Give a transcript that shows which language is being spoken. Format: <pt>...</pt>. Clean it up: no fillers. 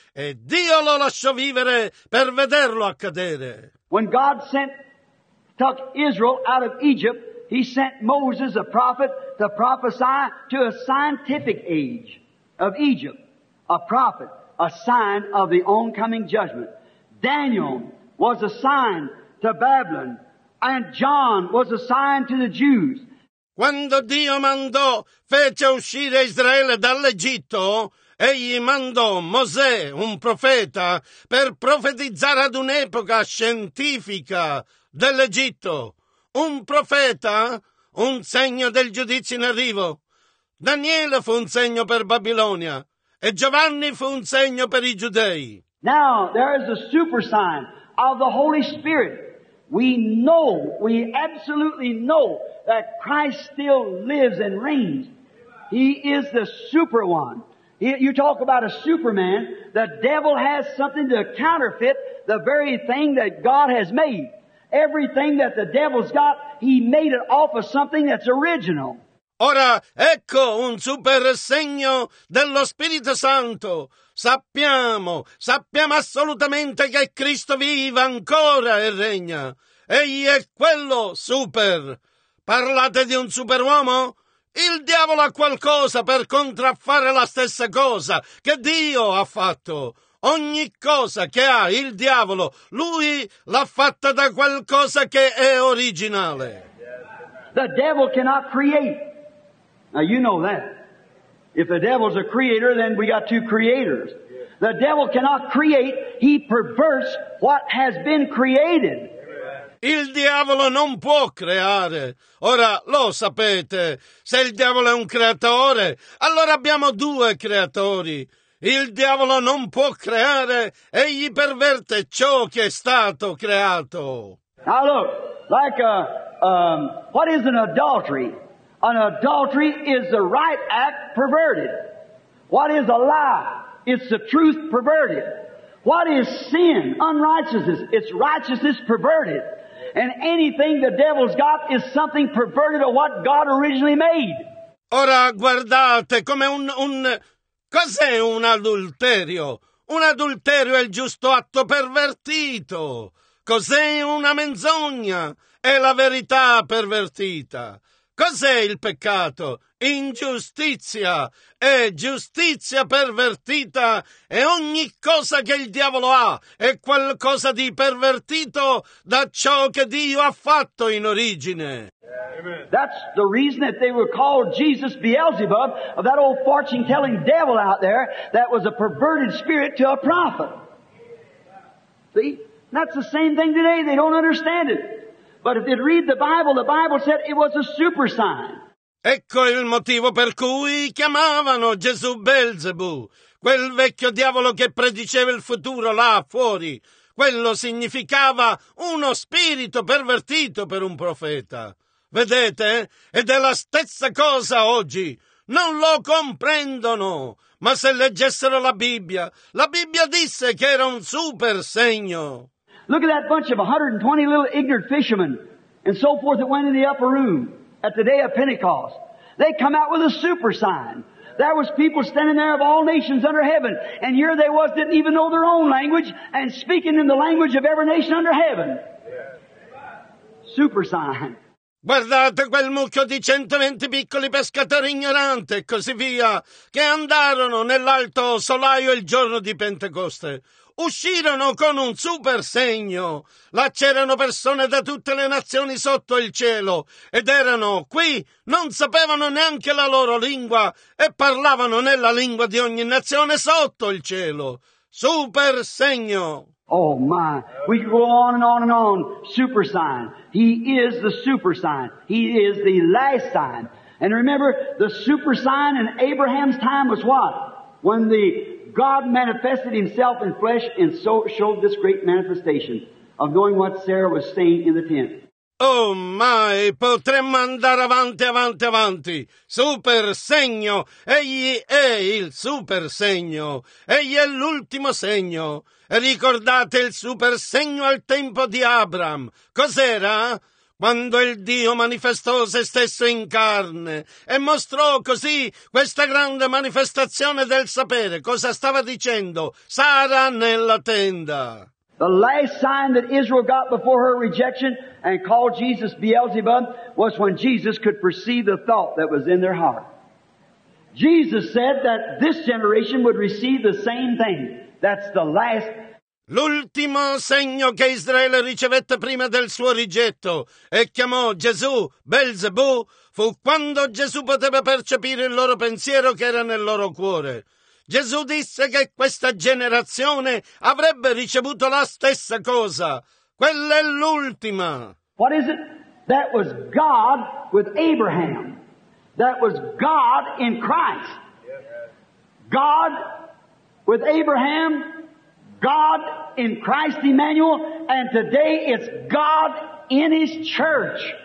<it>E Dio lo lasciò vivere per vederlo accadere.</it> <en>When God sent, took Israel out of Egypt, He sent Moses, a prophet, to prophesy to a scientific age of Egypt. A prophet, a sign of the oncoming judgment. Daniel was a sign to Babylon, and John was a sign to the Jews.</en> <it>Quando Dio mandò, fece uscire Israele dall'Egitto, egli mandò Mosè, un profeta, per profetizzare ad un'epoca scientifica dell'Egitto. Un profeta, un segno del giudizio in arrivo. Daniele fu un segno per Babilonia. E Giovanni fu un segno per i giudei.</it> <en>Now, there is a super sign of the Holy Spirit. We know, we absolutely know that Christ still lives and reigns. He is the super one. You talk about a Superman. The devil has something to counterfeit the very thing that God has made. Everything that the devil's got, he made it off of something that's original.</en> <it>Ora, ecco un super segno dello Spirito Santo. Sappiamo assolutamente che Cristo vive ancora e regna. Egli è quello super. Parlate di un superuomo? Il diavolo ha qualcosa per contraffare la stessa cosa che Dio ha fatto. Ogni cosa che ha il diavolo, lui l'ha fatta da qualcosa che è originale.</it> <en>The devil cannot create. Now you know that. If the devil's a creator, then we got two creators. The devil cannot create. He perverts what has been created.</en> <it>Il diavolo non può creare. Ora, lo sapete, se il diavolo è un creatore, allora abbiamo due creatori. Il diavolo non può creare, egli perverte ciò che è stato creato.</it> <en>Now look, like what is an adultery? An adultery is the right act perverted. What is a lie? It's the truth perverted. What is sin? Unrighteousness. It's righteousness perverted. And anything the devil's got is something perverted of what God originally made.</en> <it>Ora guardate come un cos'è un adulterio? Un adulterio è il giusto atto pervertito. Cos'è una menzogna? È la verità pervertita. Cos'è il peccato? Ingiustizia. È giustizia pervertita e ogni cosa che il diavolo ha è qualcosa di pervertito da ciò che Dio ha fatto in origine.</it> <en>That's the reason that they would call Jesus Beelzebub, of that old fortune-telling devil out there that was a perverted spirit to a prophet. See? That's the same thing today. They don't understand it. But if they'd read the Bible said it was a super sign.</en> <it>Ecco il motivo per cui chiamavano Gesù Belzebù, quel vecchio diavolo che prediceva il futuro là fuori. Quello significava uno spirito pervertito per un profeta. Vedete? Ed è la stessa cosa oggi. Non lo comprendono. Ma se leggessero la Bibbia disse che era un super segno.</it> <en>Look at that bunch of 120 little ignorant fishermen and so forth that went in the upper room at the day of Pentecost. They come out with a super sign. There was people standing there of all nations under heaven, and here they was, didn't even know their own language, and speaking in the language of every nation under heaven. Super sign.</en> <it>Guardate quel mucchio di 120 piccoli pescatori ignoranti e così via, che andarono nell'alto solaio il giorno di Pentecoste. Uscirono con un super segno. Là c'erano persone da tutte le nazioni sotto il cielo ed erano qui, non sapevano neanche la loro lingua e parlavano nella lingua di ogni nazione sotto il cielo. Super segno.</it> <en>Oh my, we can go on and on and on. Super sign. He is the super sign. He is the last sign. And remember, the super sign in Abraham's time was what? When the God manifested himself in flesh and so showed this great manifestation of knowing what Sarah was saying in the tent.</en> <it>Oh my, potremmo andare avanti. Super segno. Egli è il super segno. Egli è l'ultimo segno. E ricordate il super segno al tempo di Abram. Cos'era? Quando il Dio manifestò se stesso in carne e mostrò così questa grande manifestazione del sapere, cosa stava dicendo Sara nella tenda?</it> <en>The last sign that Israel got before her rejection and called Jesus Beelzebub was when Jesus could perceive the thought that was in their heart. Jesus said that this generation would receive the same thing. That's the last.</en> <it>L'ultimo segno che Israele ricevette prima del suo rigetto e chiamò Gesù Belzebù fu quando Gesù poteva percepire il loro pensiero che era nel loro cuore. Gesù disse che questa generazione avrebbe ricevuto la stessa cosa. Quella è l'ultima.</it> <en>What is it? That was God with Abraham. That was God in Christ. God with Abraham. God in Christ Emmanuel, and today it's God in His church.</en>